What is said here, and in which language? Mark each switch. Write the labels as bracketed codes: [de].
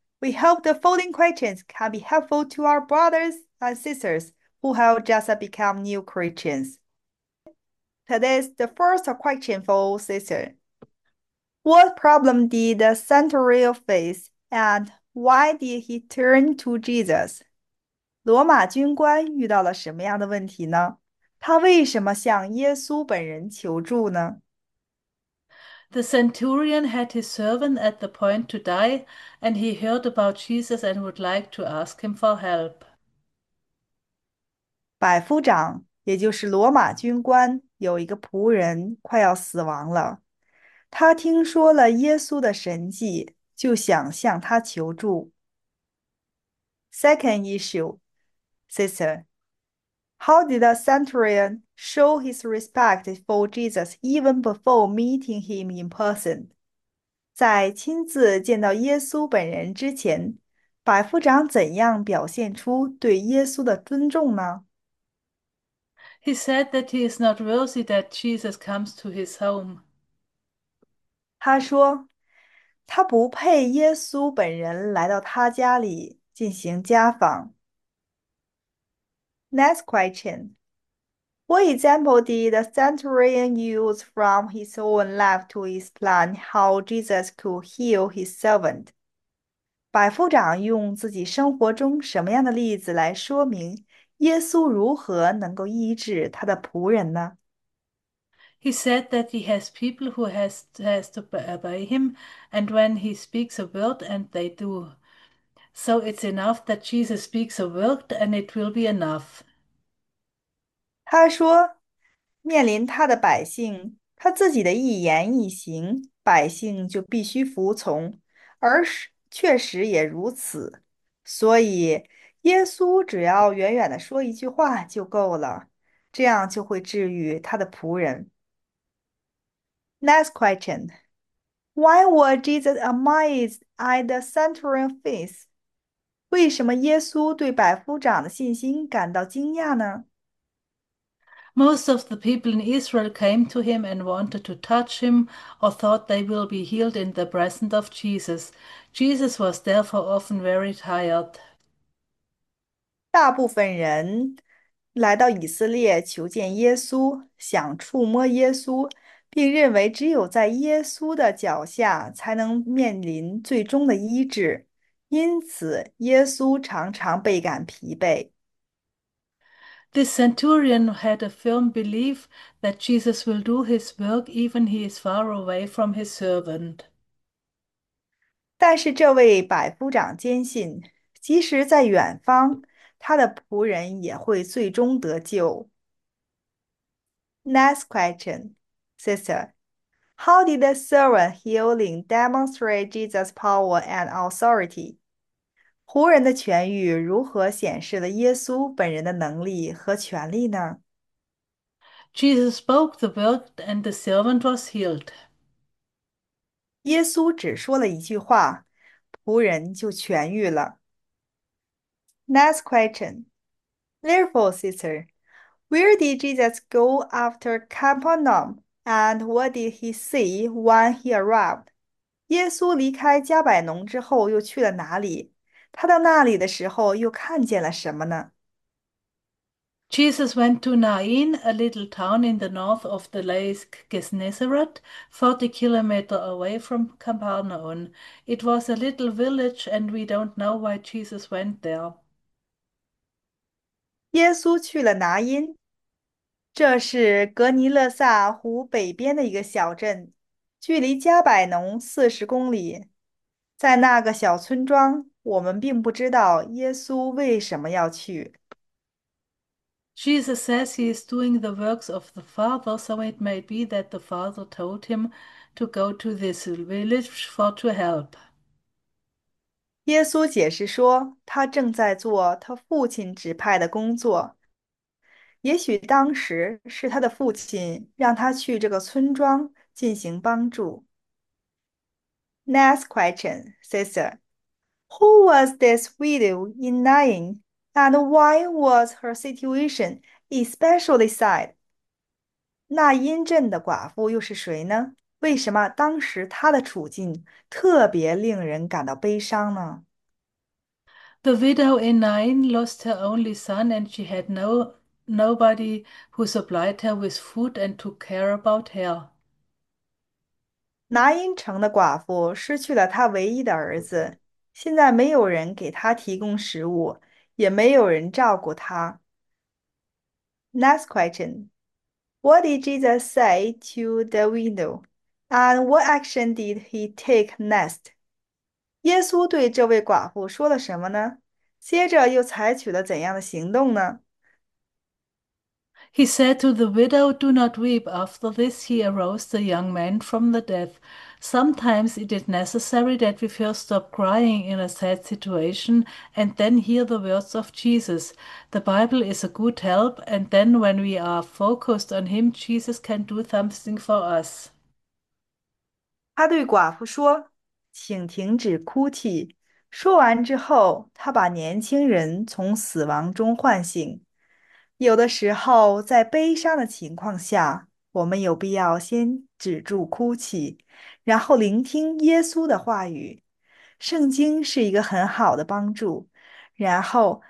[en] We hope the following questions can be helpful to our brothers and sisters who have just become new Christians. Today's the first question for sister. What problem did the centurion face and why did he turn to Jesus? [zh] 罗马军官遇到了什么样的问题呢？他为什么向耶稣本人求助呢？ [en] The centurion had his servant at the point to die, and he heard about Jesus and would like to ask him for help. [zh] 百夫长，也就是罗马军官，有一个仆人快要死亡了，他听说了耶稣的神迹。就想向他求助。 [en] Second issue, sister, how did the centurion show his respect for Jesus even before meeting him in person? [zh] 在亲自见到耶稣本人之前，百夫长怎样表现出对耶稣的尊重呢？ [en] He said that he is not worthy that Jesus comes to his home. [zh] 他说。他不配耶稣本人来到他家里进行家访。 [en] Next question. What example did the centurion use from his own life to explain how Jesus could heal his servant? [zh] 百夫长用自己生活中什么样的例子来说明耶稣如何能够医治他的仆人呢？ [en] He said that he has people who has to obey him, and when he speaks a word, and they do. So it's enough that Jesus speaks a word, and it will be enough. [zh] 他说，面临他的百姓，他自己的一言一行，百姓就必须服从，而是确实也如此。所以，耶稣只要远远地说一句话就够了，这样就会治愈他的仆人。 [en] Next question. Why was Jesus amazed at the centurion's faith? [zh] 为什么耶稣对百夫长的信心感到惊讶呢？ [en] Most of the people in Israel came to him and wanted to touch him or thought they will be healed in the presence of Jesus. Jesus was therefore often very tired. [zh] 大部分人来到以色列求见耶稣，想触摸耶稣，并认为只有在耶稣的脚下才能面临最终的医治，因此耶稣常常倍感疲惫。 [en] This centurion had a firm belief that Jesus will do his work even he is far away from his servant. [zh] 但是这位百夫长坚信，即使在远方，他的仆人也会最终得救。 [en] Next question, sister. How did the servant healing demonstrate Jesus' power and authority? [zh] 仆人的痊愈如何显示了耶稣本人的能力和权力呢？ [en] Jesus spoke the word and the servant was healed. [zh] 耶稣只说了一句话，仆人就痊愈了。 [en] Next question. Therefore, sister, where did Jesus go after Capernaum, and what did he see when he arrived? [zh] 耶稣离开加百农之后又去了哪里？他到那里的时候又看见了什么呢？ [en] Jesus went to Nain, a little town in the north of the Lake Gennesaret, 40 kilometers away from Capernaum. It was a little village, and we don't know why Jesus went there. [zh] 耶稣去了拿因，这是格尼勒撒湖北边的一个小镇，距离加百农40公里。在那个小村庄，我们并不知道耶稣为什么要去。 [en] Jesus says he is doing the works of the Father, so it may be that the Father told him to go to this village for to help. [zh] 耶稣解释说，他正在做他父亲指派的工作。也许当时是他的父亲让他去这个村庄进行帮助。 [en] Next question, sister. Who was this widow in Nain, and why was her situation especially sad? [zh] 那因镇的寡妇又是谁呢？为什么当时她的处境特别令人感到悲伤�ne? [en] The widow in Nain lost her only son, and she had nobody who supplied her with food and took care about her. [zh] 拿因城的寡妇失去了她唯一的儿子，现在没有人给她提供食物，也没有人照顾她。 [en] Next question. What did Jesus say to the widow? And what action did he take next? [zh] 耶稣对这位寡妇说了什么呢？接着又采取了怎样的行动呢？ [en] He said to the widow, "Do not weep." After this, he arose the young man from the death. Sometimes it is necessary that we first stop crying in a sad situation and then hear the words of Jesus. The Bible is a good help, and then when we are focused on him, Jesus can do something for us. [zh] 他对寡妇说：“请停止哭泣。 ”说完之后，他把年轻人从死亡中唤醒。有的时候，在悲伤的情况下，我们有必要先止住哭泣，然后聆听耶稣的话语。圣经是一个很好的帮助，然后